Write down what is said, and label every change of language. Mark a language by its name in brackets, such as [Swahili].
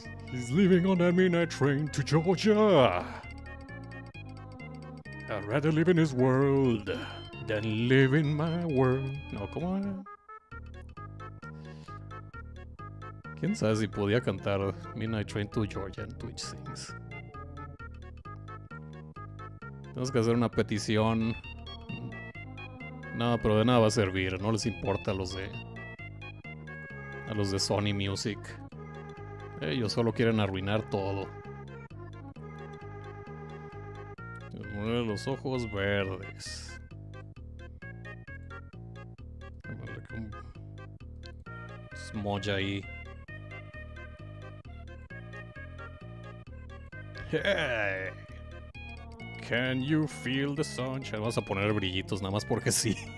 [English] He's leaving on that midnight train to Georgia. I'd rather live in his world than live in my world. No, come on. [Spanish] ¿Quién sabe si podía cantar Midnight Train to Georgia en Twitch Sings? Tenemos que hacer una petición. No, pero de nada va a servir. No les importa a los de Sony Music. Ellos solo quieren arruinar todo. Mueve los ojos verdes. Smudge ahí. [English] Hey. Can you feel the sunshine? [Spanish] Vamos a poner brillitos nada más porque sí.